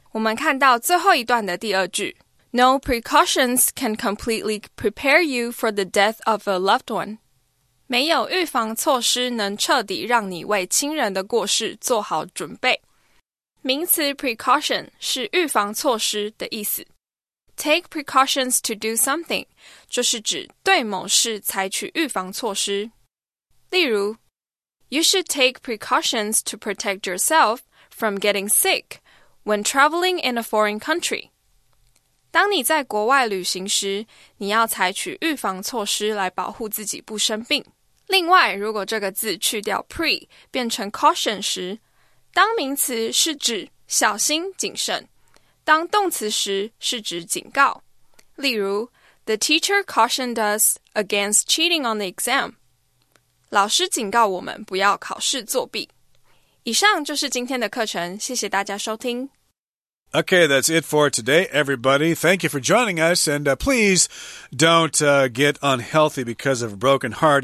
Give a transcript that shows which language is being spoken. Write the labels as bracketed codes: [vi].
[zh] 我们看到最后一段的第二句。 [en] No precautions can completely prepare you for the death of a loved one. [zh] 没有预防措施能彻底让你为亲人的过世做好准备。名词 precaution 是预防措施的意思。 [en] Take precautions to do something [zh] 就是指对某事采取预防措施。 [en] 例如 You should take precautions to protect yourself from getting sick when traveling in a foreign country. [zh] 当你在国外旅行时，你要采取预防措施来保护自己不生病。另外，如果这个字去掉 pre 变成 caution 时，当名词是指小心谨慎，当动词时是指警告。 [en] 例如 ，The teacher cautioned us against cheating on the exam. [zh] 老师警告我们不要考试作弊。以上就是今天的课程，谢谢大家收听。 [en] Okay, that's it for today, everybody. Thank you for joining us, and please don't get unhealthy because of a broken heart.